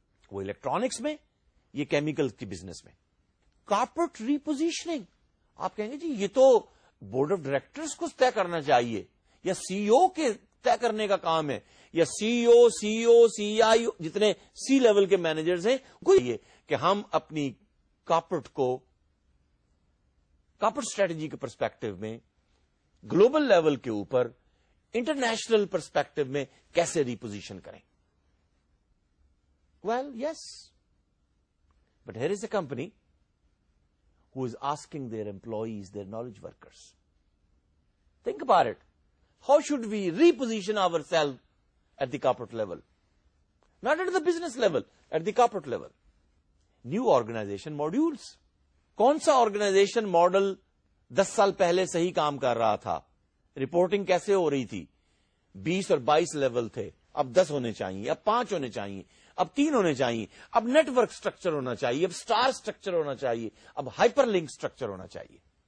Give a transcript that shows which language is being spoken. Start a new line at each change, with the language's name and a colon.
Urdu: وہ الیکٹرانکس میں, یہ کیمیکل کی بزنس میں. کارپوریٹ ریپوزیشننگ, آپ کہیں گے جی یہ تو بورڈ آف ڈائریکٹرز کو طے کرنا چاہیے یا سی او کے طے کرنے کا کام ہے, یا سی او سی او سی آئی او جتنے سی لیول کے مینیجرز ہیں کوئی یہ کہ ہم اپنی کارپوریٹ کو کارپوریٹ اسٹریٹجی کے پرسپیکٹو میں گلوبل لیول کے اوپر انٹرنیشنل پرسپیکٹو میں کیسے ریپوزیشن کریں.
English: Well yes, but here is a company who is asking their employees, their knowledge workers, think about it, how should we reposition our self at the corporate level, not at the business level, at the corporate level.
Urdu: New organization modules, کون سا organization model 10 سال پہلے صحیح کام کر رہا تھا, reporting کیسے ہو رہی تھی, 20 اور 22 لیول تھے, اب 10 ہونے چاہیے, اب 5 ہونے چاہیے, اب 3 ہونے چاہیے, اب نیٹ ورک اسٹرکچر ہونا چاہیے, اب اسٹار اسٹرکچر ہونا چاہیے, اب ہائپر لنک اسٹرکچر ہونا چاہیے.